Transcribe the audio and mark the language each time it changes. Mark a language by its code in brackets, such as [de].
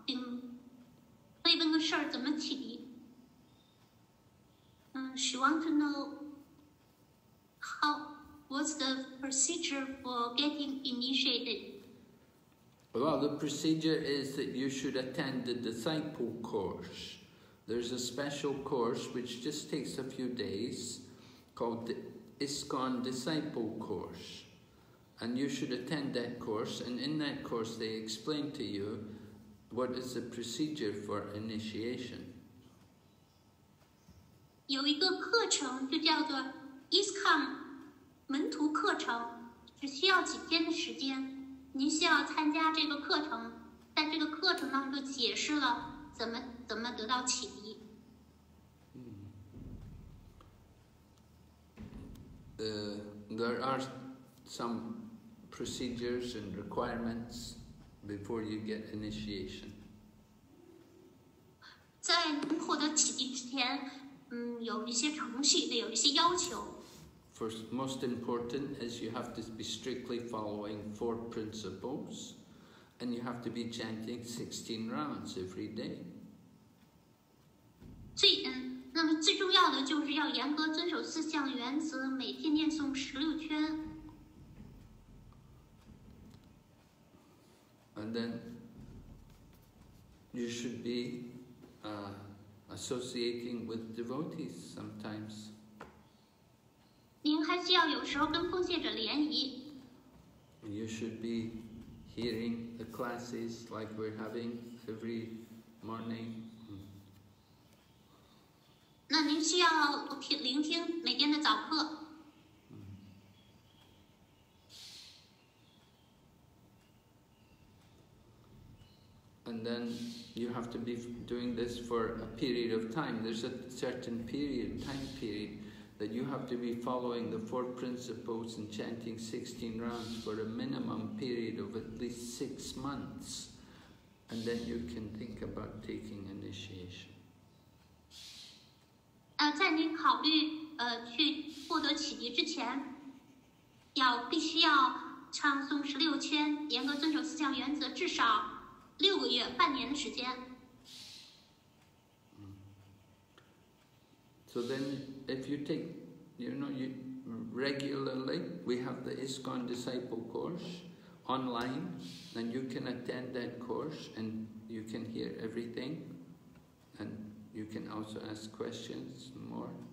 [zh] 奉献者们好，可以问个事儿怎么起？ [en] She wants to know how, what's the procedure for getting initiated? Well, the procedure is that you should attend the disciple course. There's a special course which just takes a few days called the ISKCON Disciple Course. And you should attend that course, and in that course they explain to you what is the procedure for initiation. [zh] 有一个课程就叫做 ISKCON 门徒课程，只需要几天的时间。您需要参加这个课程，在这个课程当中解释了怎么得到启迪。 [en] There are some procedures and requirements before you get initiation. [zh] 在您获得启迪之前。有一些程序的，有一些要求。 [en] First, most important is you have to be strictly following four principles, and you have to be chanting 16 rounds every day. [zh] 那么最重要的就是要严格遵守四项原则，每天念诵16圈。 [en] And then you should be, associating with devotees sometimes. [zh] 您还需要有时候跟奉献者联谊。 [en] You should be hearing the classes like we're having every morning. [zh] 那您需要聆听每天的早课。 [en] And then you have to be doing this for a period of time. There's a certain period, time period, that you have to be following the four principles and chanting 16 rounds for a minimum period of at least 6 months. And then you can think about taking initiation. [zh] 在您考虑去获得启迪之前，要必须要唱诵十六圈，严格遵守四项原则，至少六个月，半年的时间。 [en] So then, if you take, you know, you regularly, we have the ISKCON Disciple Course online, and you can attend that course, and you can hear everything, and you can also ask questions more.